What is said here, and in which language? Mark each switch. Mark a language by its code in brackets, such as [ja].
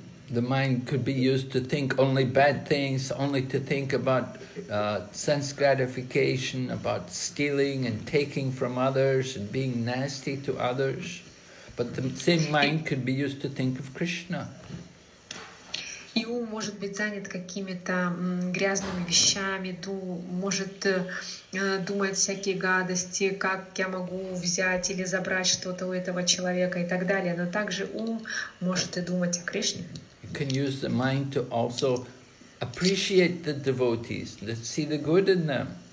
[en] The mind could be used to think only bad things, only to think about sense gratification, about stealing and taking from others and being nasty to others. But the same mind could be used to think of Krishna. [ru] И ум может быть занят какими-то грязными вещами, может думать всякие гадости, как я могу взять или забрать что-то у этого человека и так далее. Но также ум может и думать о Кришне. [en] You can use the mind to also appreciate the devotees, to see the good in them.